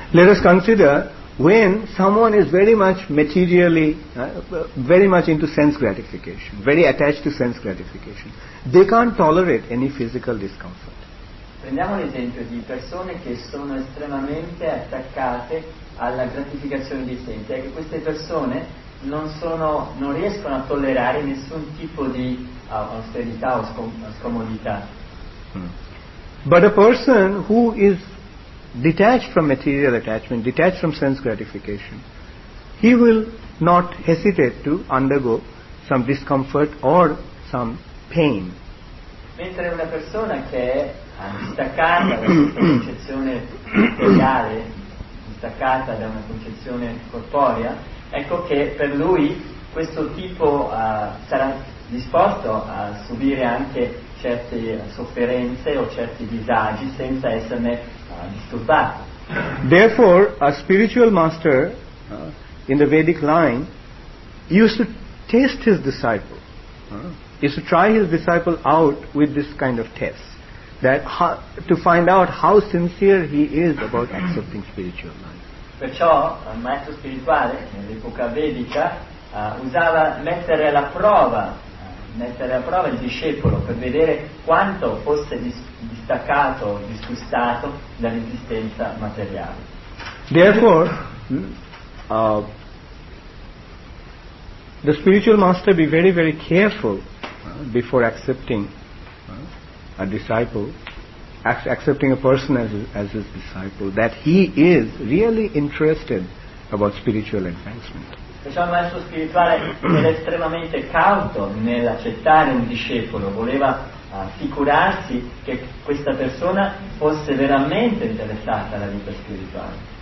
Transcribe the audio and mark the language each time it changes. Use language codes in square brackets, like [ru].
[en] Let us consider when someone is very much materially, very much into sense gratification, very attached to sense gratification, they can't tolerate any physical discomfort. [it] Prendiamo l'esempio di persone che sono estremamente attaccate alla gratificazione dei sensi. Ecco, queste persone non riescono a tollerare nessun tipo di austerità o scomodità. [en] But a person who is detached from material attachment, detached from sense gratification, he will not hesitate to undergo some discomfort or some pain. [it] Mentre una persona che è distaccata da una concezione materiale, distaccata da una concezione corporea, ecco che per lui questo tipo sarà disposto a subire anche certe sofferenze o certi disagi senza esserne disturbato. [en] Therefore, a spiritual master in the Vedic line used to test his disciple, used to try his disciple out with this kind of test, that to find out how sincere he is about accepting spiritual life. [it] Perciò il maestro spirituale nell'epoca vedica usava mettere alla prova il discepolo per vedere quanto fosse distaccato, disgustato dall'esistenza materiale. [en] Therefore, the spiritual master be very, very careful before accepting a disciple. Accepting a person as his disciple, that he is really interested about spiritual advancement. [it] Perciò il maestro spirituale era estremamente cauto nell'accettare un discepolo, voleva assicurarsi che questa persona fosse veramente interessata alla vita spirituale.